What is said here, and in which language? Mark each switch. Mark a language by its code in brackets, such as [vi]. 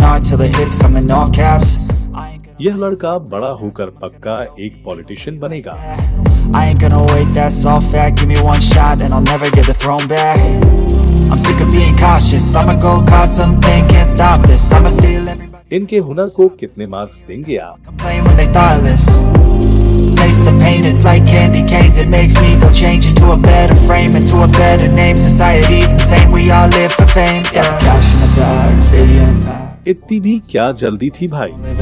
[hi] यह लड़का बड़ा होकर पक्का एक पॉलिटिशियन बनेगा. [en] I ain't gonna wait, that's all fact. Give me one shot and I'll never get the throne back. I'm sick of being cautious. I'ma go cause something, can't stop this. I'ma steal everybody. [hi] इनके हुनर को कितने marks देंगे आप? [en] Complain when they thoughtless. Taste the pain, it's like candy canes. It makes me go change into a better frame, into a better name. Society's insane, we all live for fame. Yeah. Cash in the bag, stadium packed. [hi] इतनी भी क्या जल्दी थी भाई.